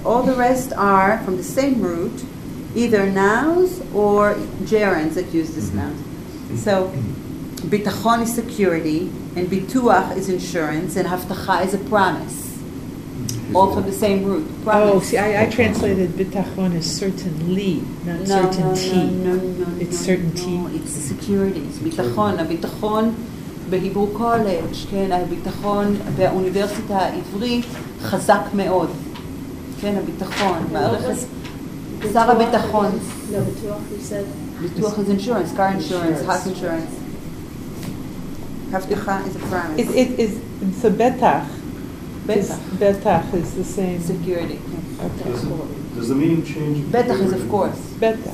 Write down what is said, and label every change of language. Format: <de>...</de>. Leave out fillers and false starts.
<en>All the rest are from the same root, either nouns or gerunds that use this noun. So, bitachon is security, and bituach is insurance, and haftacha is a promise. All from the same root. Promise. Oh, see, I translated bitachon as certainly, not certainty. No, certainty. No, it's security. It's bitachon.</en> <he>A bitachon בהיברו קולג', כן, הביטחון באוניברסיטה העברית חזק מאוד. כן, הביטחון, מערכת, שר הביטחון. לא, ביטוח,</he> <en>you said. ביטוח is insurance, car insurance, house insurance. הבטחה is a promise. It is, so בטח. בטח is the same. Security, yes. Does the meaning change? בטח is of course.</en> <he>בטח.</he>